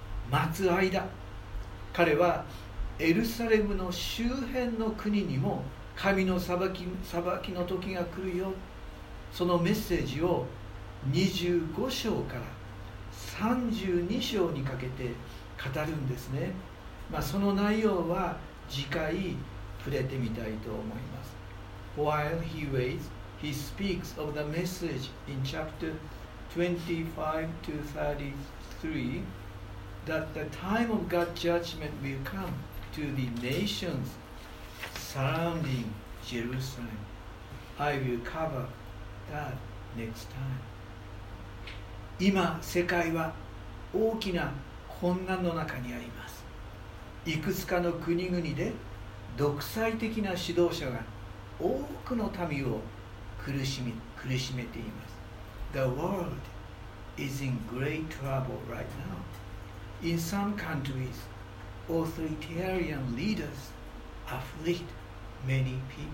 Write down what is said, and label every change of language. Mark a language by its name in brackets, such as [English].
[Japanese] 待つ間、彼はエルサレムの周辺の国にも神の裁きの時が来るよ。そのメッセージを25章から32章にかけて語るんですね。まあ、その内容は次回触れてみたいと思います。 [English] While he waits, he speaks of the message in chapter 25 to 33, that the time of God's judgment will come to the nations surrounding Jerusalem. I will cover that next time. [Japanese] 今世界は大きな混乱の中にあります。いくつかの国々で独裁的な指導者が多くの民を苦しめています。 [English] The world is in great trouble right now. In some countries, authoritarian leaders afflict many people.